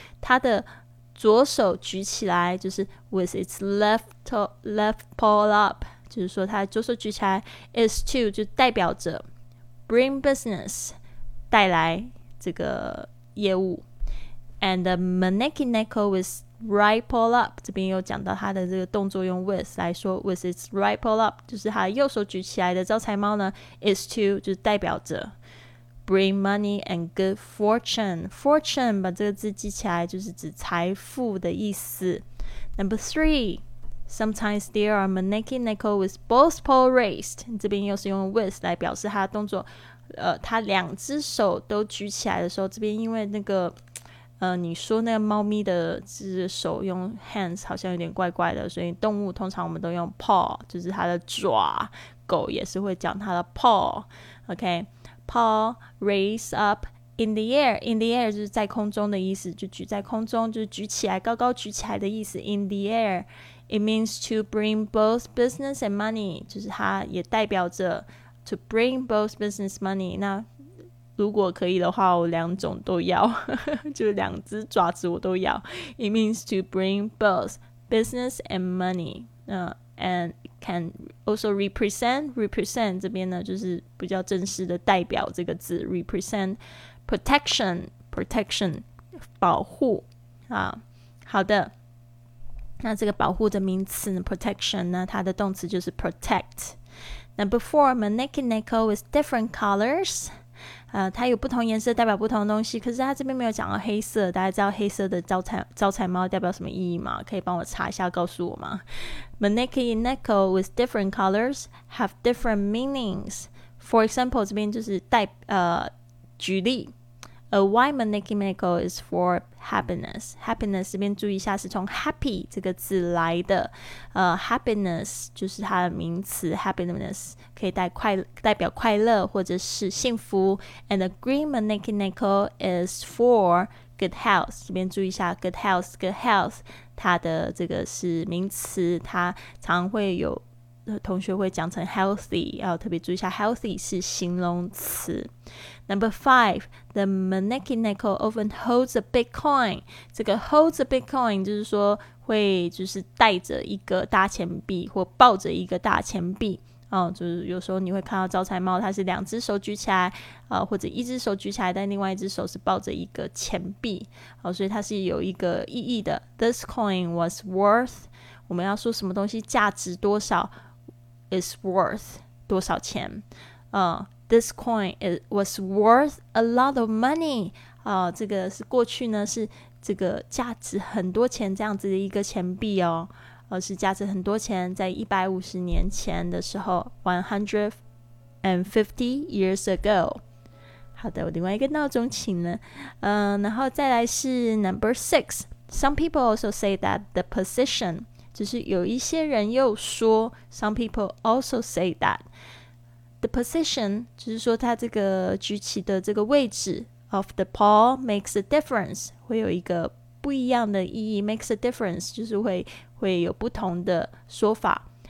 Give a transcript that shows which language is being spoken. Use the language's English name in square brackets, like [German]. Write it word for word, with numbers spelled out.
[Chinese] 它的左手举起来就是 [English] with its left, to, left paw up， [Chinese] 就是说它左手举起来 [English] is to [Chinese] 就代表着 [English] bring business [Chinese] 带来这个业务。 [English] And the Maneki Neko with right paw up， [Chinese] 这边有讲到它的这个动作用 with 来说 [English] with its right paw up， [Chinese] 就是它右手举起来的招财猫呢 [English] is to [Chinese] 就是代表着 [English] bring money and good fortune. [Chinese] Fortune 把这个字记起来，就是指财富的意思。 [English] Number three, sometimes there are maneki neko with both paws raised. [Chinese] 这边又是用 with 来表示它的动作，呃，它两只手都举起来的时候，这边因为那个。呃，你说那个猫咪的手用 hands 好像有点怪怪的，所以动物通常我们都用 paw， 就是它的爪。狗也是会讲它的 paw。OK， [English] paw raise up in the air， in the air [Chinese] 就是在空中的意思，就举在空中，就是举起来，高高举起来的意思。 [English] In the air， it means to bring both business and money， [Chinese] 就是它也代表着 [English] to bring both business money。 [Chinese] 那如果可以的话，我两种都要，就是两只爪子我都要。 [English] It means to bring both business and money， uh, and can also represent represent [Chinese] 这边呢就是比较正式的代表这个字 [English] represent protection protection [Chinese] 保护啊。好的，那这个保护的名词呢 protection 呢，它的动词就是 protect。 [English] Number four, maneki neko with different colors。 [Chinese] 呃，它有不同颜色代表不同的东西，可是它这边没有讲到黑色，大家知道黑色的招财招财猫代表什么意义吗？可以帮我查一下告诉我吗？ [English] Maneki neko with different colors have different meanings. For example， [Chinese] 这边就是代呃举例 [English] A white maneki neko is for happiness. [Chinese] Happiness 这边注意一下是从 happy 这个字来的，呃 happiness 就是它的名词 happiness。可以代快代表快乐或者是幸福 [English] and the green maneki neko is for good health [Chinese] 这边注意一下 [English] good health good health [Chinese] 它的这个是名词，它常会有同学会讲成 healthy， 要特别注意一下 healthy 是形容词。 [English] Number five, the maneki neko often holds a bitcoin. [Chinese] 这个 [English] holds a bitcoin [Chinese] 就是说会就是带着一个大钱币或抱着一个大钱币。哦，就是有时候你会看到招财猫，它是两只手举起来，呃，或者一只手举起来，但另外一只手是抱着一个钱币，哦，所以它是有一个意义的。 [English] This coin was worth， [Chinese] 我们要说什么东西价值多少 [English] is worth [Chinese] 多少钱？ [English] 呃 ，This coin it was worth a lot of money。 [Chinese] 啊，这个是过去呢是这个价值很多钱这样子的一个钱币哦。而是价值很多钱，在一百五十年前的时候 [English] one hundred fifty years ago。 [Chinese] 好的，我另外一个闹钟请了，呃，然后再来是 [English] number six, some people also say that the position， [Chinese] 就是有一些人又说 [English] some people also say that the position， [Chinese] 就是说它这个举起的这个位置 [English] of the paw makes a difference， [Chinese] 会有一个不一样的意义 [English] makes a difference， [Chinese] 就是会会有不同的说法。